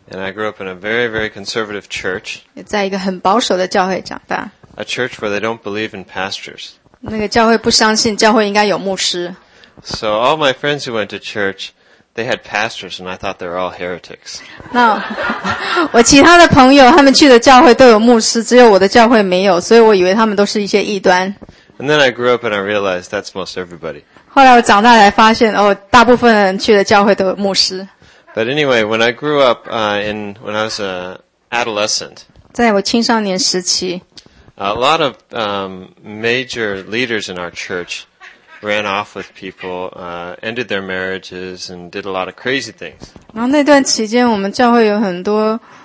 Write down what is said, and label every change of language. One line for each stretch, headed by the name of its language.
English: And I grew up in a very, very conservative church.
Chinese: 也在一个很保守的教会长大。
English: A church where they don't believe in pastors.
Chinese: 那个教会不相信，教会应该有牧师。
English: So all my friends who went to church, they had pastors, and I thought they were all heretics.
Chinese: 那我其他的朋友，他们去的教会都有牧师，只有我的教会没有，所以我以为他们都是一些异端。
English: And then I grew up and I realized that's most everybody.
Chinese: 后来我长大才发现，哦，大部分人去的教会都有牧师。
English: But anyway, when I grew up, when I was an adolescent,
Chinese: 在我青少年时期,
English: a lot of major leaders in our church ran off with people, ended their marriages, and did a lot of crazy things.
Chinese: 然后那段期间我们教会有很多,